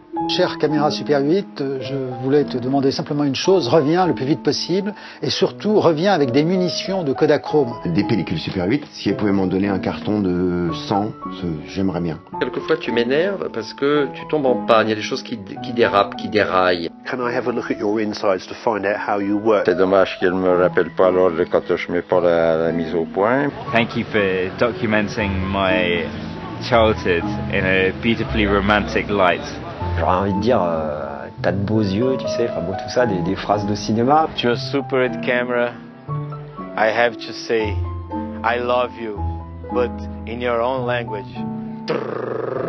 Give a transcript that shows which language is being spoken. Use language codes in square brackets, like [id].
[fr] Chère caméra Super 8, je voulais te demander simplement une chose, reviens le plus vite possible et surtout reviens avec des munitions de Kodachrome. Des pellicules Super 8, si elle pouvait m'en donner un carton de 100, j'aimerais bien. Quelquefois tu m'énerves parce que tu tombes en panne, il y a des choses qui dérapent, qui déraillent. [en] Can I have a look at your insides to find out how you work? [fr] C'est dommage qu'elle ne me rappelle pas l'ordre quand je mets pas la mise au point. [en] Thank you for documenting my childhood in a beautifully romantic light. [fr] J'aurais envie de dire, t'as de beaux yeux, tu sais, enfin bon, tout ça, des phrases de cinéma. Tu es [en] Super 8 camera, I have to say, I love you, but in your own language. Trrr.